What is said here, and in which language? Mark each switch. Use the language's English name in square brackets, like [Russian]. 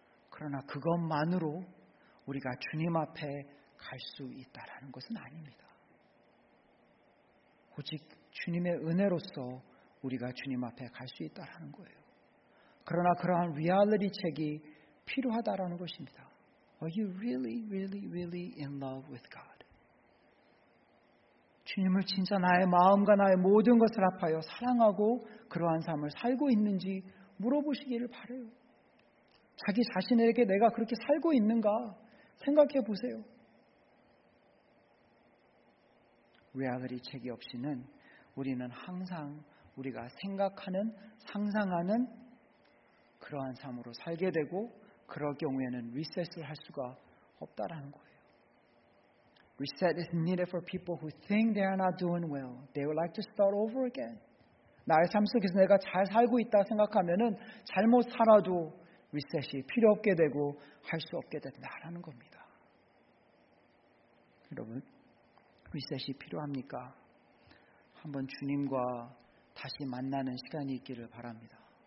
[Korean] 그러나 그것만으로 우리가 주님 앞에 갈 수 있다라는 것은 아닙니다. 오직 주님의 은혜로서 우리가 주님 앞에 갈 수 있다라는 거예요. 그러나 그러한 리얼리티 체크가 필요하다라는 것입니다. [English] Are you really, really, really in love with God? [Korean] 주님을 진짜 나의 마음과 나의 모든 것을 합하여 사랑하고 그러한 삶을 살고 있는지 물어보시기를 바라요. 자기 자신에게 내가 그렇게 살고 있는가 생각해 보세요. 리얼리티 체크 없이는 우리는 항상 우리가 생각하는, 상상하는 그러한 삶으로 살게 되고 그럴 경우에는 리셋을 할 수가 없다라는 거예요. [English] Reset is needed for people who think they are not doing well. They would like to start over again. [Korean] 나의 삶 속에서 내가 잘 살고 있다 생각하면은 잘못 살아도 리셋이 필요 없게 되고 할 수 없게 된다라는 겁니다. 여러분, 리셋이 필요합니까? 한번 주님과 다시 만나는 시간이 있기를 바랍니다.